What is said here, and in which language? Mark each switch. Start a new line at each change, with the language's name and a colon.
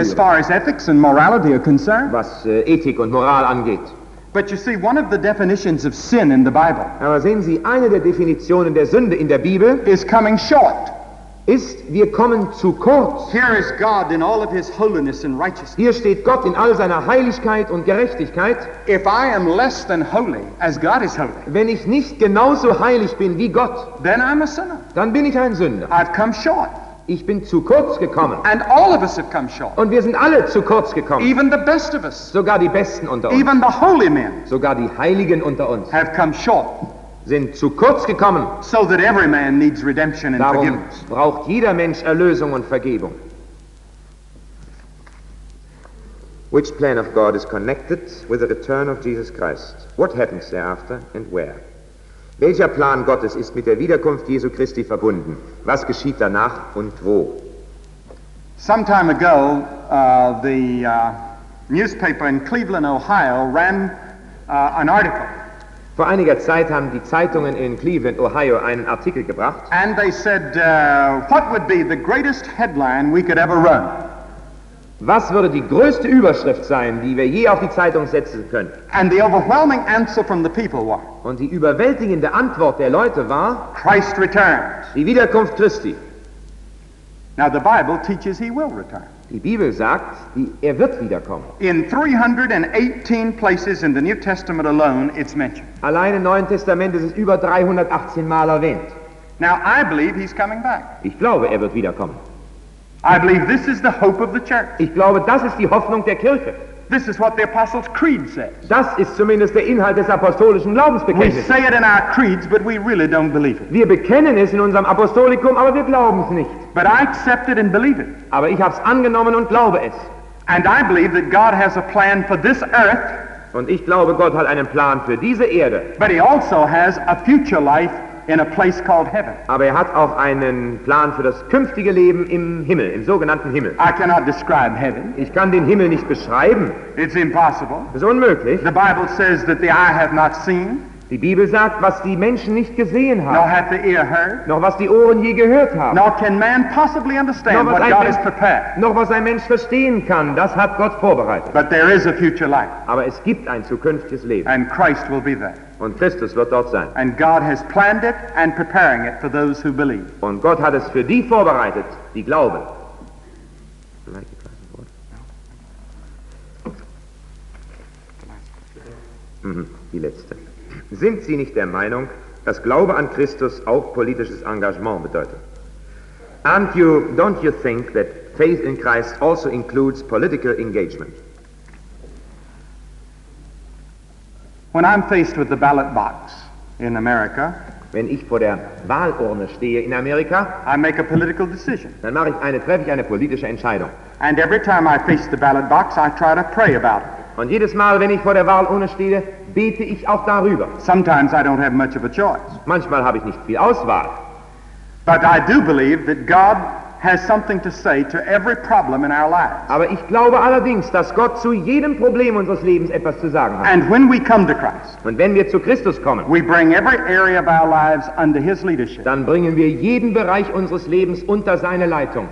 English: as far as ethics and morality are concerned,
German: was Ethik und Moral angeht.
English: But you see, one of the definitions of sin in the Bible,
German: aber sehen Sie, eine der Definitionen der Sünde in der Bibel,
English: is coming short.
German: Ist, wir kommen zu kurz.
English: Here is God in all of his holiness and righteousness.
German: Hier steht Gott in all seiner Heiligkeit und Gerechtigkeit.
English: If I am less than holy, as God is holy,
German: wenn ich nicht genauso heilig bin wie Gott,
English: then I'm a sinner.
German: Dann bin ich ein Sünder.
English: I've come short.
German: Ich bin zu kurz gekommen.
English: And all of us have come short.
German: Und wir sind alle zu kurz gekommen.
English: Even the best of us.
German: Sogar die Besten unter uns.
English: Even the holy men.
German: Sogar die Heiligen unter uns.
English: Have come short.
German: Sind zu kurz gekommen.
English: So that every man needs redemption and
German: darum
English: forgiveness.
German: Braucht jeder Mensch Erlösung und Vergebung.
English: Which plan of God is connected with the return of Jesus Christ? What happens thereafter and where?
German: Welcher Plan Gottes ist mit der Wiederkunft Jesu Christi verbunden? Was geschieht danach und wo?
English: Some time ago, the newspaper in Cleveland, Ohio, ran an article.
German: Vor einiger Zeit haben die Zeitungen in Cleveland, Ohio, einen Artikel gebracht.
English: And they said, what would be the greatest headline we could ever run?
German: Was würde die größte Überschrift sein, die wir je auf die Zeitung setzen können?
English: And the overwhelming answer from the people was,
German: und die überwältigende Antwort der Leute war,
English: Christ returned.
German: Die Wiederkunft Christi.
English: Now the Bible teaches he will return.
German: Die Bibel sagt, er wird wiederkommen.
English: In 318 places in the New Testament alone, it's mentioned.
German: Allein im Neuen Testament ist es über 318 Mal erwähnt.
English: Now I believe he's coming back.
German: Ich glaube, er wird wiederkommen.
English: I believe this is the hope of the church.
German: Ich glaube, das ist die Hoffnung der Kirche.
English: This is what the Apostles' Creed says.
German: Das ist zumindest der Inhalt des apostolischen Glaubensbekenntnisses.
English: We say it in our creeds, but we really don't believe it.
German: Wir bekennen es in unserem Apostolikum, aber wir glauben es nicht.
English: But I accept it and believe it.
German: Aber ich habe es angenommen und glaube es.
English: And I believe that God has a plan for this earth.
German: Und ich glaube, Gott hat einen Plan für diese Erde.
English: But he also has a future life in a place called heaven.
German: Aber er hat auch einen Plan für das künftige Leben im Himmel, im sogenannten Himmel.
English: I cannot describe heaven.
German: Ich kann den Himmel nicht beschreiben.
English: It's impossible.
German: Es ist unmöglich.
English: The Bible says that the eye hath not seen.
German: Die Bibel sagt, was die Menschen nicht gesehen haben.
English: Nor hath the ear heard.
German: Noch was die Ohren je gehört haben.
English: Nor can man possibly understand what God has prepared.
German: Noch was ein Mensch verstehen kann, das hat Gott vorbereitet.
English: But there is a future life.
German: Aber es gibt ein zukünftiges Leben.
English: And Christ will be there.
German: Und Christus wird dort sein.
English: And God has planned it and preparing it for those who believe.
German: Und Gott hat es für die vorbereitet, die glauben. Die letzte. Sind Sie nicht der Meinung, dass Glaube an Christus auch politisches Engagement bedeutet?
English: Don't you think that faith in Christ also includes political engagement? When I'm faced with the ballot box in America,
German: wenn ich vor der Wahlurne stehe in Amerika,
English: I make a political decision.
German: Dann treffe ich eine politische Entscheidung.
English: And every time I face the ballot box, I try to pray about it.
German: Und jedes Mal, wenn ich vor der Wahlurne stehe, bete ich auch darüber.
English: Sometimes I don't have much of a choice.
German: Manchmal habe ich nicht viel Auswahl.
English: But I do believe that God has something to say to every problem in our lives.
German: Aber ich glaube allerdings, dass Gott zu jedem Problem unseres Lebens etwas zu sagen hat.
English: And when we come to Christ,
German: und wenn wir zu Christus kommen,
English: we bring every area of our lives under his leadership.
German: Dann bringen wir jeden Bereich unseres Lebens unter seine Leitung.